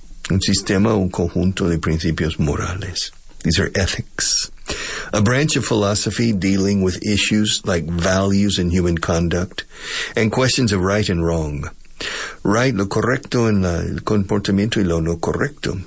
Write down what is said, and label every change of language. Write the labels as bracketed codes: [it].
[es] Un sistema o un conjunto de principios morales. [en] These are ethics. A branch of philosophy dealing with issues like values and human conduct and questions of right and wrong. Right, [es] lo correcto, en la, el comportamiento y lo no correcto.